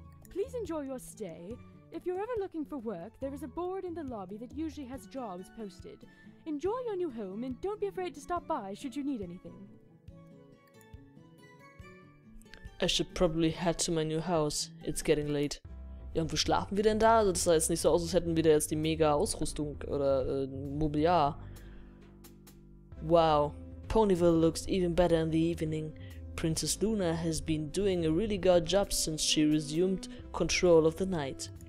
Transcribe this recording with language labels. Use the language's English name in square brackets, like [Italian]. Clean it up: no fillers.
[English] Please enjoy your stay. If you're ever looking for work, there is a board in the lobby that usually has jobs posted. Enjoy your new home and don't be afraid to stop by should you need anything. I should probably head to my new house. It's getting late. [German] Ja, und wo schlafen wir denn da? Also, das sah jetzt nicht so aus, als hätten wir da jetzt die Mega-Ausrüstung oder Mobiliar. [English] Wow, Ponyville looks even better in the evening. Princess Luna has been doing a really good job since she resumed control of the night.